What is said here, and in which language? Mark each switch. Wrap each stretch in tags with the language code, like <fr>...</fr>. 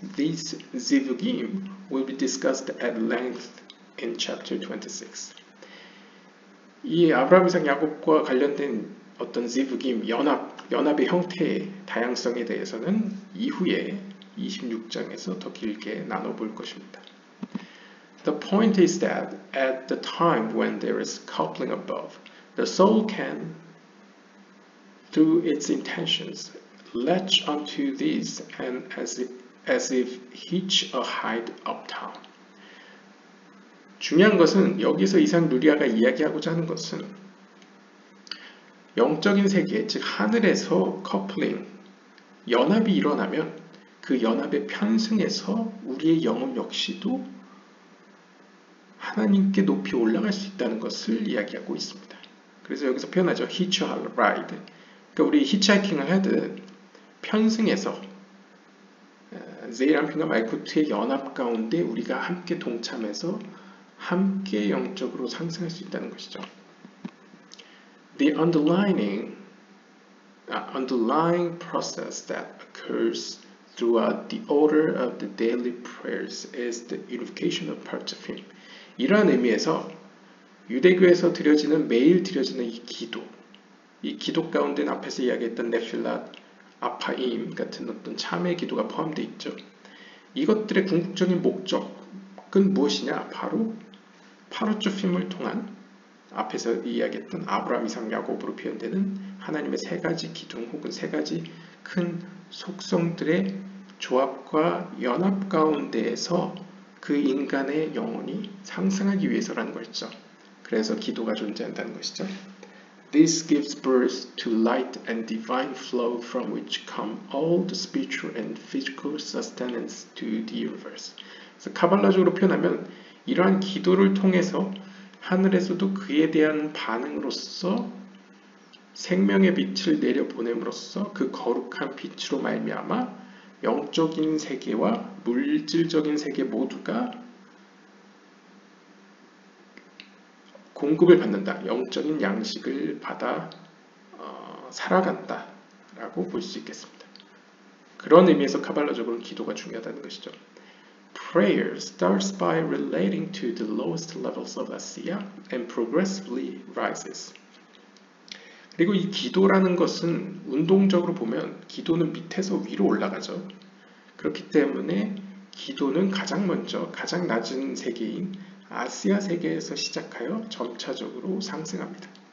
<en>These Zivugim will be discussed at length in chapter 26.</en> <ko>이 아브라함 이삭 야곱과 관련된 어떤 Zivugim 연합의 형태의 다양성에 대해서는 이후에 26장에서 더 길게 나눠볼 것입니다.</ko> <en>The point is that at the time when there is coupling above, the soul can, through its intentions, latch onto these and as if hitch a hide uptown.</en> <ko>중요한 것은 여기서 이삭 누리아가 이야기하고자 하는 것은 영적인 세계, 즉 하늘에서 coupling, 연합이 일어나면 그 연합에 편승해서 우리의 영혼 역시도 하나님께 높이 올라갈 수 있다는 것을 이야기하고 있습니다. 그래서 여기서 표현하죠.</ko> <en>Hitch a ride.</en> <ko>그러니까 우리 히치하이킹을 하듯 편승해서 제이람핑과 말코트의 연합 가운데 우리가 함께 동참해서 함께 영적으로 상승할 수 있다는 것이죠.</ko> <en>The underlying process that occurs throughout the order of the daily prayers is the unification of parts of him.</en> <ko>이러한 의미에서 유대교에서 드려지는 매일 드려지는 이 기도, 이 기도 가운데 앞에서 이야기했던 네필랏, 아파임 같은 어떤 참회 기도가 포함되어 있죠. 이것들의 궁극적인 목적은 무엇이냐? 바로 파루츠핌을 통한 앞에서 이야기했던 아브라함 이삭 야곱으로 표현되는 하나님의 세 가지 기둥 혹은 세 가지 큰 속성들의 조합과 연합 가운데에서 그 인간의 영혼이 상승하기 위해서라는 것이죠. 그래서 기도가 존재한다는 것이죠.</ko> <en>This gives birth to light and divine flow from which come all the spiritual and physical sustenance to the universe.</en> <ko>그래서 카발라적으로 표현하면 이러한 기도를 통해서 하늘에서도 그에 대한 반응으로서 생명의 빛을 내려보냄으로써 그 거룩한 빛으로 말미암아 영적인 세계와 물질적인 세계 모두가 공급을 받는다. 영적인 양식을 받아 살아간다 라고 볼수 있겠습니다. 그런 의미에서 카발라적으로는 기도가 중요하다는 것이죠.</ko> <en>Prayer starts by relating to the lowest levels of Asiya and progressively rises.</en> <ko>그리고 이 기도라는 것은 운동적으로 보면 기도는 밑에서 위로 올라가죠. 그렇기 때문에 기도는 가장 먼저 가장 낮은 세계인 아시아 세계에서 시작하여 점차적으로 상승합니다.</ko>